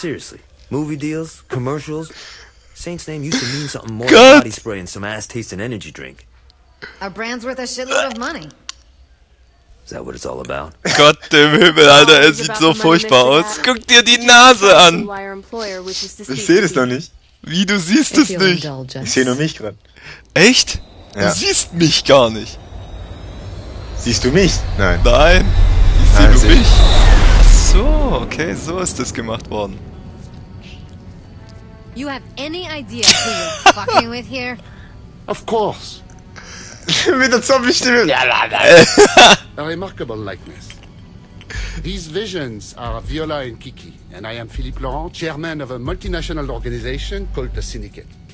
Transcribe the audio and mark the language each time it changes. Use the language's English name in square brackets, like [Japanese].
[English] Seriously, movie deals, commercials. Saint's name used to mean something more than body spray and some ass-tasting energy drink. Our brand's worth a shitload of money. Is that what it's all about? [German] Gott im Himmel, Alter, er sieht so furchtbar aus. Guck dir die Nase an. Ich sehe das doch nicht. Wie, du siehst es nicht? Ich sehe nur mich gerade. Echt? Du siehst mich gar nicht. Siehst du mich? Nein. Nein, ich sehe nur mich. So, okay, so ist das gemacht worden. [English] You have any idea who you're fucking with here? Of course. [German] Mit der Zombie-Stimme. Ja, nein, nein. [English] A remarkable likeness. These visions are Viola and Kiki, and I am Philippe Laurent, chairman of a multinational organization called the Syndicate.